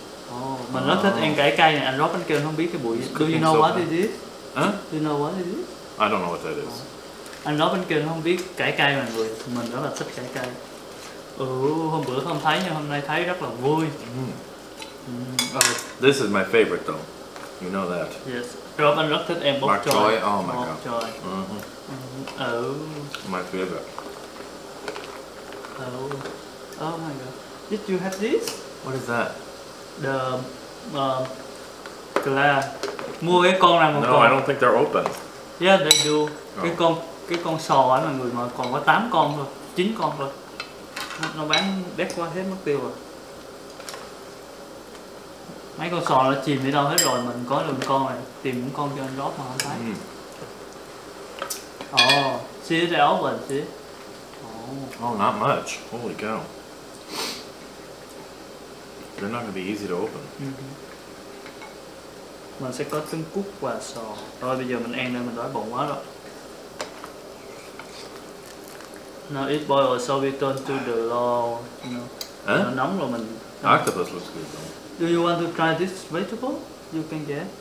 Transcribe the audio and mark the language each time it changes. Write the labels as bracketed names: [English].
[Vietnamese] Oh, mình rất thích ăn cải cay này. Anh Rob anh kêu không biết cái bụi. [English] Do you know what it is? Huh? Do you know what it is? I don't know what that is. [Vietnamese] Anh nói bên kia không biết cải cay mọi người, mình rất là thích cải cay. Hôm bữa không thấy nhưng hôm nay thấy rất là vui. [English] This is my favorite though, you know that. [Vietnamese] Yes, Rob anh rất thích em bok choy. [English] Bok choy, oh my bok god. Choy. My favorite. Oh my god, did you have this? What is that? The glass. [Vietnamese] Mua cái con này một [English] no, [Vietnamese] con. [English] No, I don't think they're open. Yeah, they do. Oh. [Vietnamese] Cái con sò ấy mọi người mà còn có 8 con thôi, 9 con thôi. Nó bán đét qua hết mất tiêu rồi. Mấy con sò nó chìm đi đâu hết rồi, mình có được con này, tìm một con cho anh Rob mà không thấy. [English] Oh, see the oven, see? Oh, not much. Holy cow. They're not gonna be easy to open. [Vietnamese] Mình sẽ có trứng cút và sò. Rồi bây giờ mình ăn đây, mình đói bụng quá rồi. [English] Now it boils, so we turn to the low, you know. Huh? [Vietnamese] Mình... [English] Octopus looks good though. Do you want to try this vegetable you can get?